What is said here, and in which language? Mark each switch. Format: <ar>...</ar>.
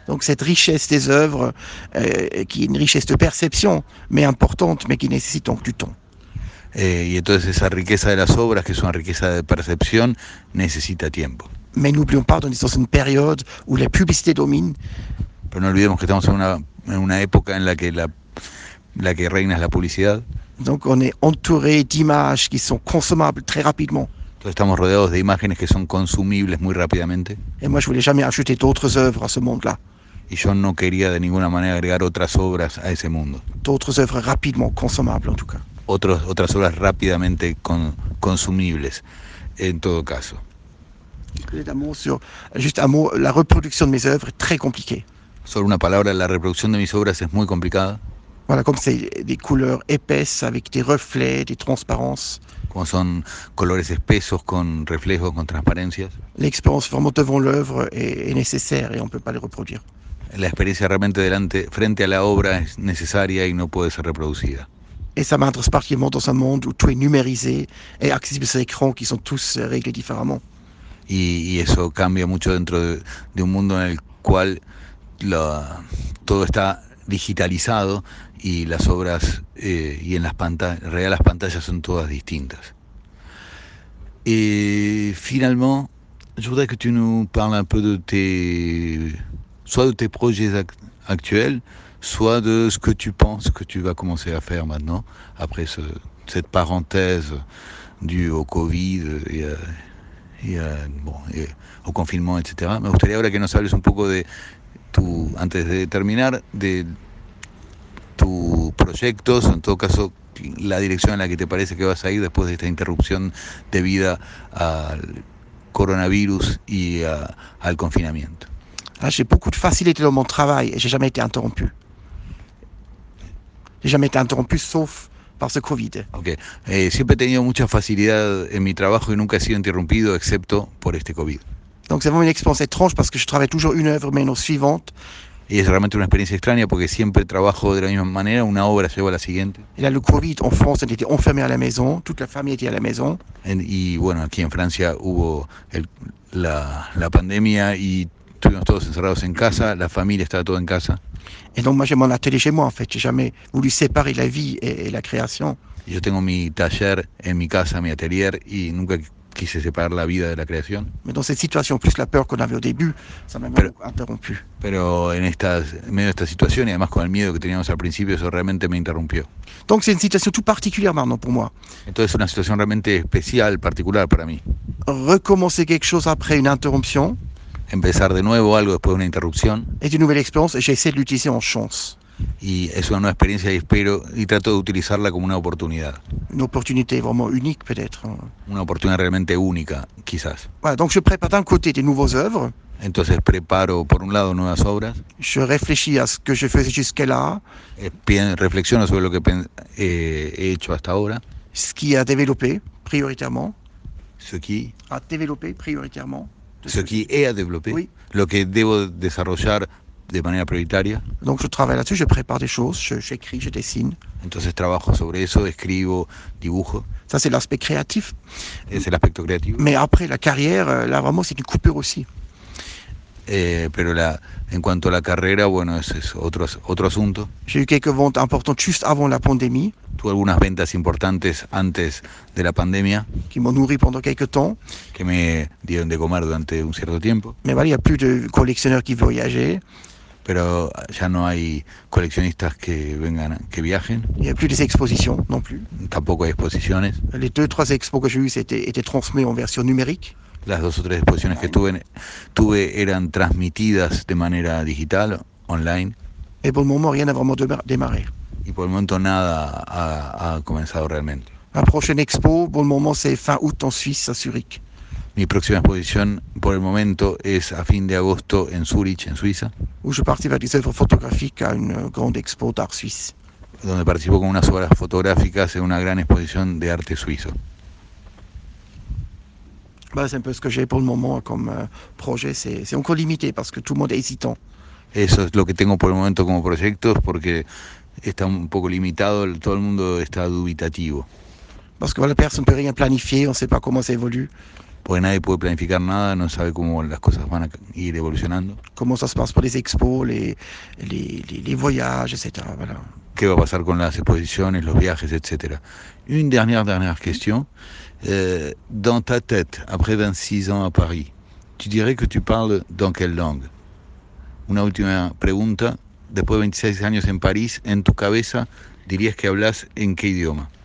<fr>Donc cette richesse des œuvres, qui est une richesse de perception, mais importante, mais qui nécessite donc du temps.</fr> <es>Y entonces esa riqueza de las obras, que es una riqueza de percepción, necesita tiempo.</es> <fr>Mais n'oublions pas, on est dans une période où la publicité domine.</fr> <es>Pero no olvidemos que estamos en una en una época en la que la que reina es la publicidad.</es> <fr>Donc on est entouré d'images qui sont consommables très rapidement.</fr> <es>Entonces estamos rodeados de imágenes que son consumibles muy rápidamente.</es> <fr>Et moi je voulais jamais ajouter d'autres œuvres à ce monde-là.</fr> <es>Y yo no quería de ninguna manera agregar otras obras a ese mundo.</es> <fr>D'autres œuvres rapidement consommables en tout cas.</fr> <es>Otras obras rápidamente consumibles en todo caso.</es> <fr>Juste un mot, la reproduction de mes œuvres est très compliquée.</fr> <es>Solo una palabra, la reproducción de mis obras es muy complicada.</es> <fr>Voilà, comme c'est des couleurs épaisses avec des reflets, des transparences.</fr> <es>Como son colores espesos con reflejos, con transparencias.</es> <fr>L'expérience vraiment devant l'œuvre est nécessaire et on ne peut pas les reproduire.</fr> <es>La experiencia realmente frente a la obra es necesaria y no puede ser reproducida.</es> <fr>Et ça m'intéresse particulièrement dans un monde où tout est numérisé et accessible sur écran qui sont tous réglés différemment.</fr> <es>Y eso cambia mucho dentro de un mundo en el cual todo está digitalizado y las obras y en las pantallas, real las pantallas son todas distintas.</es> <fr>Y finalement, je voudrais que tu nous parles un peu de tes projets actuels, soit de ce que tu penses que tu vas commencer à faire maintenant, après cette parenthèse due au Covid y au confinement, etc.</fr> <es>Me gustaría ahora que nos hables un poco de tu, antes de terminar, de tus proyectos, en todo caso, la dirección en la que te parece que vas a ir después de esta interrupción debida al coronavirus y al confinamiento.</es> <fr>Ah, j'ai beaucoup de facilité dans mon travail et j'ai jamais été interrompu. J'ai jamais été interrompu sauf par ce Covid. Ok.</fr> <es>Siempre he tenido mucha facilidad en mi trabajo y nunca he sido interrumpido excepto por este Covid.</es> <fr>Donc c'est vraiment une expérience étrange parce que je travaille toujours une œuvre mais non suivante.</fr> <es>Y es realmente una experiencia extraña porque siempre trabajo de la misma manera, una obra lleva a la siguiente.</es> <fr>Et là, le Covid en France, on était enfermé à la maison, toute la famille était à la maison.</fr> <es>Y bueno, aquí en Francia hubo la pandemia y estuvimos todos encerrados en casa, la familia estaba toda en casa.</es> <fr>Et donc moi j'ai mon atelier chez moi en fait, j'ai jamais voulu séparer la vie et la création.</fr> <es>Yo tengo mi taller en mi casa, mi atelier, y nunca quise separar la vida de la creación.</es> <fr>Mais dans cette situation, plus la peur qu'on avait au début, ça m'a beaucoup interrompu.</fr> <es>Pero en medio de esta situación y además con el miedo que teníamos al principio, eso realmente me interrumpió.</es> <fr>Donc c'est une situation tout particulière maintenant pour moi.</fr> <es>Entonces es una situación realmente especial, particular para mí.</es> <fr>Recommencer quelque chose après une interruption.</fr> <es>Empezar de nuevo algo después de una interrupción. Es una nueva experiencia y</es> <fr>j'essaie de l'utiliser en chance.</fr> <es>Y es una nueva experiencia y espero y trato de utilizarla como una oportunidad.</es> <fr>Une opportunité vraiment unique peut-être.</fr> <es>Una oportunidad realmente única, quizás.</es> <fr>Voilà, donc je prépare d'un côté des nouveaux œuvres.</fr> <es>Entonces preparo por un lado nuevas obras.</es> <fr>Je réfléchis à ce que je faisais jusque-là.</fr> <es>Reflexiono sobre lo que he hecho hasta ahora.</es> <fr>Ce qui a développé prioritairement. Ce qui a développé prioritairement. Ce qui est à développer, oui.</fr> <es>Lo que debo desarrollar de manera prioritaria.</es> <fr>Donc je travaille là-dessus, je prépare des choses, j'écris, je dessine.</fr> <es>Entonces trabajo sobre eso, escribo, dibujo.</es> <fr>Ça c'est l'aspect créatif.</fr> <es>Es el aspecto creativo.</es> <fr>Mais après la carrière, là vraiment c'est une coupure aussi.</fr> <es>Pero en cuanto a la carrera, bueno, ese es otro asunto.</es> <fr>J'ai eu quelques ventes importantes juste avant la pandémie.</fr> <es>Tuve algunas ventas importantes antes de la pandemia.</es> <fr>Qui m'ont nourri pendant quelques temps.</fr> <es>Que me dieron de comer durante un cierto tiempo.</es> <fr>Mais voilà, il n'y a plus de collectionneurs qui voyagent.</fr> <es>Pero ya no hay coleccionistas que vengan, que viajen.</es> <fr>Il n'y a plus des expositions non plus.</fr> <es>Tampoco hay exposiciones.</es> <fr>Les deux, trois expos que j'ai eues étaient transmises en version numérique.</fr> <es>Las dos o tres exposiciones que tuve eran transmitidas de manera digital, online.</es> <fr>Et pour le moment, rien n'a vraiment démarré.</fr> <es>Y por el momento nada ha comenzado realmente.</es> <fr>La prochaine expo, pour le moment, c'est fin août en Suisse, à Zurich.</fr> <es>Mi próxima exposición, por el momento, es a fin de agosto en Zurich, en Suiza.</es> <fr>Où je participe à des œuvres photographiques à une grande expo d'art suisse.</fr> <es>Donde participo con unas obras fotográficas en una gran exposición de arte suizo.</es> <fr>Bah, c'est un peu ce que j'ai pour le moment comme projet, c'est encore limité parce que tout le monde est hésitant.</fr> <es>Eso es lo que tengo por el momento como proyectos porque está un poco limitado, todo el mundo está dubitativo.</es> <fr>Parce que voilà, personne ne peut rien planifier, on ne sait pas comment ça évolue.</fr> <es>Porque nadie puede planificar nada, no sabe cómo las cosas van a ir evolucionando.</es> <fr>Comment ça se passe pour les expos, les voyages, etc. Voilà.</fr> <es>¿Qué va a pasar con las exposiciones, los viajes, etcétera?</es> <fr>Une dernière question. Dans ta tête, après 26 ans à Paris, tu dirais que tu parles dans quelle langue?</fr> <es>Una última pregunta. después de 26 años en París, en tu cabeza, dirías que hablas en qué idioma?</es>